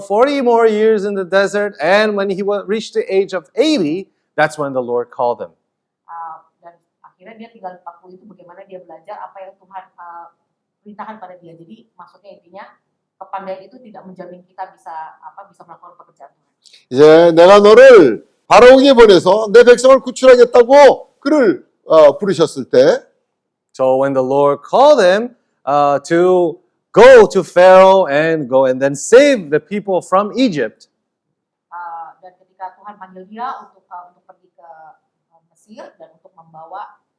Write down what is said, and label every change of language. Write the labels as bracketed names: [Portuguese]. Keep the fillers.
[English] 40 more years in the desert, and when he reached the age of 80, that's when the Lord called him. [Indonesian] akhirnya dia tinggal 40 di itu bagaimana dia belajar apa yang Tuhan uh, perintahkan pada dia. Jadi maksudnya intinya kepandaian itu tidak menjamin kita bisa apa bisa melakukan pekerjaan Tuhan. Ya, [Korean] 내가 Harungi 바로에게 보내서 내 백성을 구출하겠다고 그를 어, 부르셨을 때 [English] So when the Lord called them uh, to go to Pharaoh and go and then save the people from Egypt. [Indonesian] Uh, dan ketika Tuhan panggil dia untuk uh, untuk pergi ke uh, Mesir dan untuk membawa